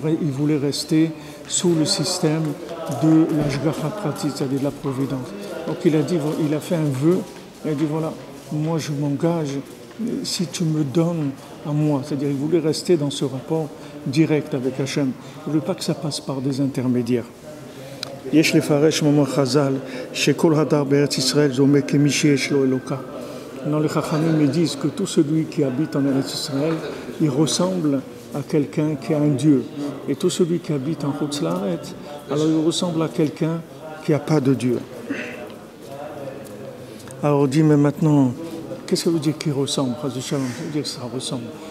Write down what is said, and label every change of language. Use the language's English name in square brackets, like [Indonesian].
[French] Il voulait rester sous le système de l'Ashgacha Pratit, c'est-à-dire de la Providence. Donc il a fait un vœu, il a dit voilà, moi je m'engage si tu me donnes à moi. C'est-à-dire il voulait rester dans ce rapport direct avec Hachem. Je ne veux pas que ça passe par des intermédiaires. [Hebrew] יש לפרש מאמר חז"ל שכל הדר בארץ ישראל זומה כמי שיש לו אלוקה. [French] Non, les Chachamim me disent que tout celui qui habite en Eretz Israël, il ressemble à quelqu'un qui a un Dieu. Et tout celui qui habite en Chutz Laaretz, alors il ressemble à quelqu'un qui n'a pas de Dieu. Alors dis-moi maintenant, qu'est-ce que veut dire qu'il ressemble, Chas v'Shalom ? Ça veut dire que ça ressemble.